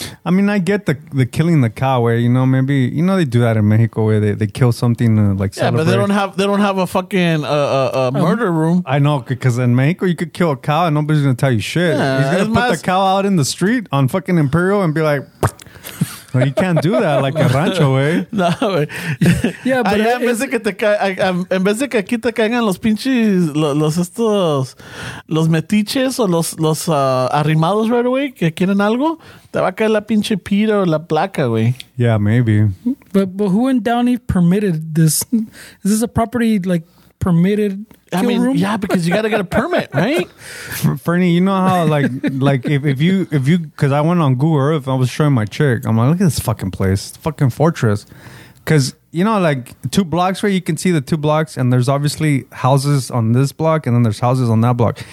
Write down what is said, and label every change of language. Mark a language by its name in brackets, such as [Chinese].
[English] I mean, I get the killing the cow, where, you know, maybe, you know, they do that in Mexico where they kill something to, like, yeah, celebrate. But they don't have a fucking murder room. I know, because in Mexico you could kill a cow and nobody's gonna tell you shit. Yeah, he's gonna put the cow out in the street on fucking Imperial and be like, No, you can't do that like a rancho, güey. [Spanish] No, güey. Yeah, but allá, en vez de que aquí te caigan los pinches, los estos, los metiches o los arrimados [English] right away [Spanish] que quieren algo, te va a caer la pinche pita o la placa, güey. [English] Yeah, maybe. But who in Downey permitted this? Is this a property, like, permitted kill room? Yeah, because you gotta get a permit, right? Fernie, you know how like if you because I went on Google Earth, I was showing my chick. I'm like, look at this fucking place, fucking fortress. Because you know, like two blocks where you can see the two blocks, and there's obviously houses on this block, and then there's houses on that block.